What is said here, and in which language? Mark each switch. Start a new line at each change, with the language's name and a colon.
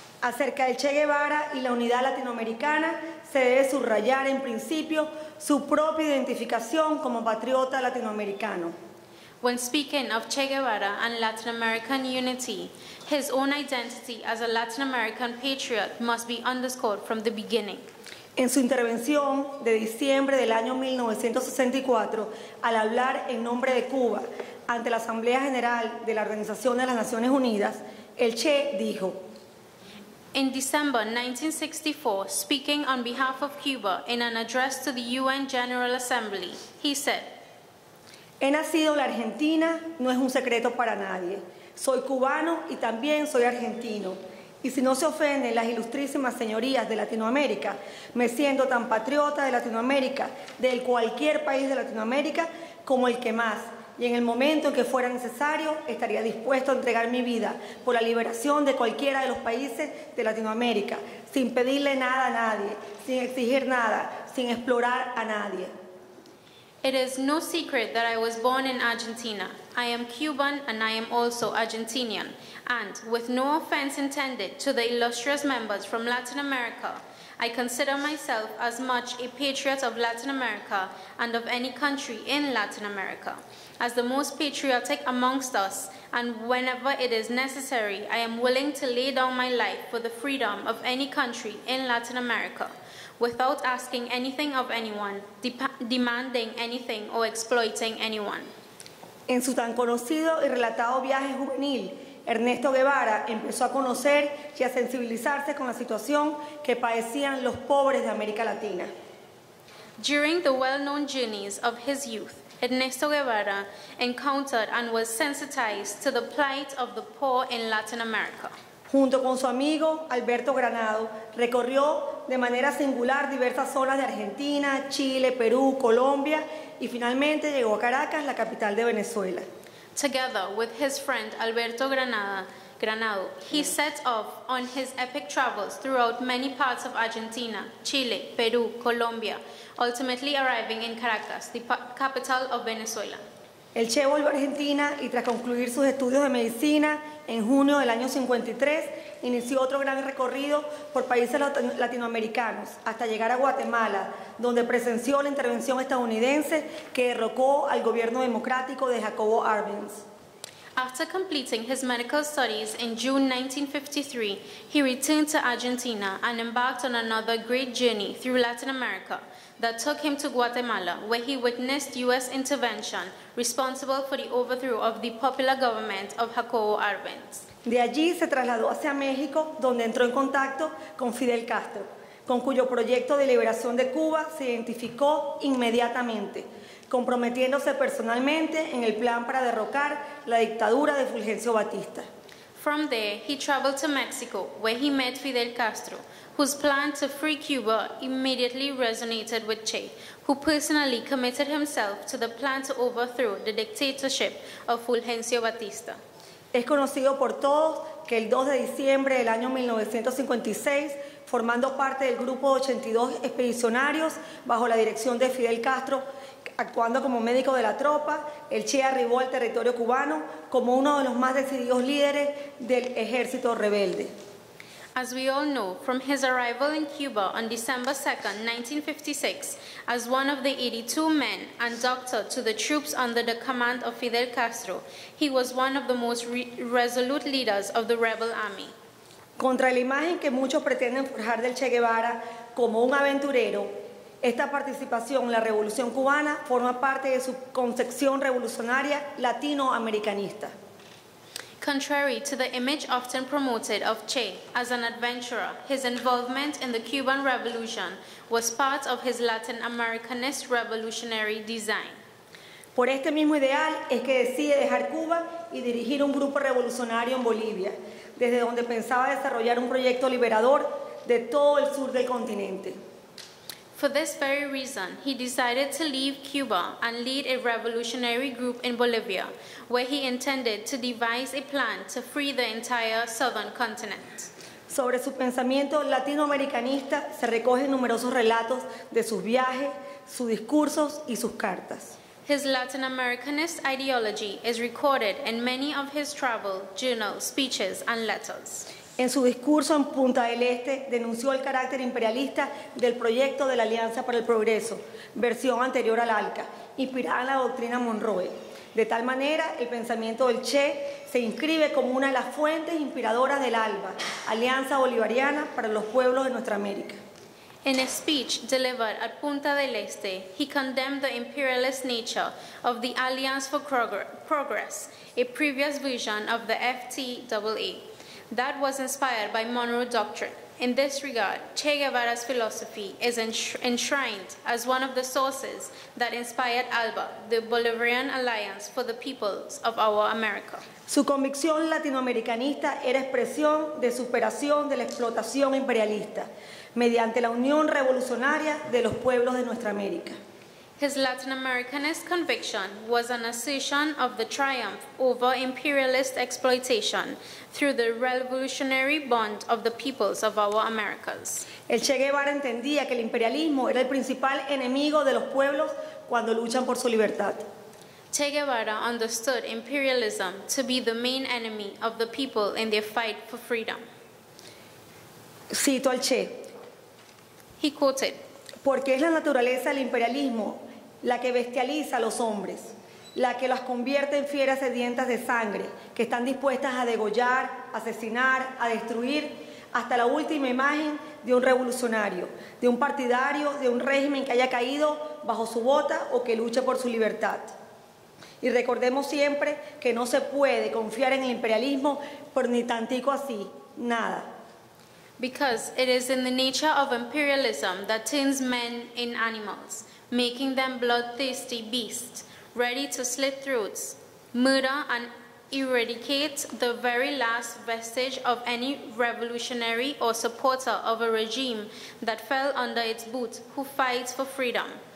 Spanish: Acerca del Che Guevara y la unidad latinoamericana, se debe subrayar en principio su propia identificación como patriota latinoamericano.
English: When speaking of Che Guevara and Latin American unity, his own identity as a Latin American patriot must be underscored from the beginning.
Spanish: En su intervención de diciembre del año 1964, al hablar en nombre de Cuba ante la Asamblea General de la Organización de las Naciones Unidas, el Che dijo:
English: In December 1964, speaking on behalf of Cuba in an address to the UN General Assembly, he said:
Spanish: He nacido en la Argentina, no es un secreto para nadie. Soy cubano y también soy argentino. Y si no se ofenden las ilustrísimas señorías de Latinoamérica, me siento tan patriota de Latinoamérica, de cualquier país de Latinoamérica, como el que más. Y en el momento en que fuera necesario, estaría dispuesto a entregar mi vida por la liberación de cualquiera de los países de Latinoamérica, sin pedirle nada a nadie, sin exigir nada, sin explorar a nadie.
English: It is no secret that I was born in Argentina. I am Cuban and I am also Argentinian. And with no offense intended to the illustrious members from Latin America, I consider myself as much a patriot of Latin America and of any country in Latin America. As the most patriotic amongst us, and whenever it is necessary, I am willing to lay down my life for the freedom of any country in Latin America, without asking anything of anyone, demanding anything or exploiting anyone.
Spanish: En su tan conocido y relatado viaje juvenil, Ernesto Guevara empezó a conocer y a sensibilizarse con la situación que padecían los pobres de América Latina.
English: During the well-known journeys of his youth, Ernesto Guevara encountered and was sensitized to the plight of the poor in Latin America.
Spanish: Junto con su amigo Alberto Granado, recorrió de manera singular diversas zonas de Argentina, Chile, Perú, Colombia, y finalmente llegó a Caracas, la capital de Venezuela.
English: Together with his friend Alberto Granado, he set off on his epic travels throughout many parts of Argentina, Chile, Peru, Colombia, ultimately arriving in Caracas, the capital of Venezuela.
Spanish: El Che volvió a Argentina y tras concluir sus estudios de medicina en junio del año 53, inició otro gran recorrido por países latinoamericanos hasta llegar a Guatemala, donde presenció la intervención estadounidense que derrocó al gobierno democrático de Jacobo Arbenz.
English: After completing his medical studies in June 1953, he returned to Argentina and embarked on another great journey through Latin America that took him to Guatemala, where he witnessed U.S. intervention responsible for the overthrow of the popular government of Jacobo Arbenz.
Spanish: De allí se trasladó hacia México, donde entró en contacto con Fidel Castro, con cuyo proyecto de liberación de Cuba se identificó inmediatamente, comprometiéndose personalmente en el plan para derrocar la dictadura de Fulgencio Batista.
English: From there, he traveled to Mexico, where he met Fidel Castro, whose plan to free Cuba immediately resonated with Che, who personally committed himself to the plan to overthrow the dictatorship of Fulgencio Batista.
Spanish: Es conocido por todos que el 2 de diciembre del año 1956, formando parte del grupo de 82 expedicionarios bajo la dirección de Fidel Castro, actuando como médico de la tropa, el Che arribó al territorio cubano como uno de los más decididos líderes del ejército rebelde.
English: As we all know, from his arrival in Cuba on December 2, 1956, as one of the 82 men and doctor to the troops under the command of Fidel Castro, he was one of the most resolute leaders of the rebel army.
Spanish: Contra la imagen que muchos pretenden forjar del Che Guevara como un aventurero, esta participación en la Revolución Cubana forma parte de su concepción revolucionaria latinoamericanista.
English: Contrary to the image often promoted of Che as an adventurer, his involvement in the Cuban Revolution was part of his Latin Americanist revolutionary design.
Spanish: Por este mismo ideal es que decide dejar Cuba y dirigir un grupo revolucionario en Bolivia, desde donde pensaba desarrollar un proyecto liberador de todo el sur del continente.
English: For this very reason, he decided to leave Cuba and lead a revolutionary group in Bolivia, where he intended to devise a plan to free the entire southern continent.
Spanish: Sobre su pensamiento latinoamericanista se recogen numerosos relatos de sus viajes, sus discursos y sus cartas.
English: His Latin Americanist ideology is recorded in many of his travel, journals, speeches, and letters.
Spanish: En su discurso en Punta del Este, denunció el carácter imperialista del proyecto de la Alianza para el Progreso, versión anterior al ALCA, inspirada en la doctrina Monroe. De tal manera, el pensamiento del Che se inscribe como una de las fuentes inspiradoras del ALBA, Alianza Bolivariana para los Pueblos de Nuestra América.
English: In a speech delivered at Punta del Este, he condemned the imperialist nature of the Alliance for Progress, a previous vision of the FTAA that was inspired by Monroe Doctrine. In this regard, Che Guevara's philosophy is enshrined as one of the sources that inspired ALBA, the Bolivarian Alliance for the Peoples of Our America.
Spanish: Su convicción latinoamericanista era expresión de superación de la explotación imperialista mediante la unión revolucionaria de los pueblos de nuestra América.
English: His Latin Americanist conviction was an assertion of the triumph over imperialist exploitation through the revolutionary bond of the peoples of our Americas.
Spanish: El Che Guevara entendía que el imperialismo era el principal enemigo de los pueblos cuando luchan por su libertad.
English: Che Guevara understood imperialism to be the main enemy of the people in their fight for freedom.
Spanish: Cito al Che.
English: He quoted,
Spanish: "Porque es la naturaleza del imperialismo la que bestializa a los hombres, la que las convierte en fieras sedientas de sangre, que están dispuestas a degollar, asesinar, a destruir hasta la última imagen de un revolucionario, de un partidario, de un régimen que haya caído bajo su bota o que luche por su libertad. Y recordemos siempre que no se puede confiar en el imperialismo por ni tantico así, nada."
English: Because it is in the nature of imperialism that turns men in animals, making them bloodthirsty beasts, ready to slit throats, murder, and eradicate the very last vestige of any revolutionary or supporter of a regime that fell under its boot who fights for freedom.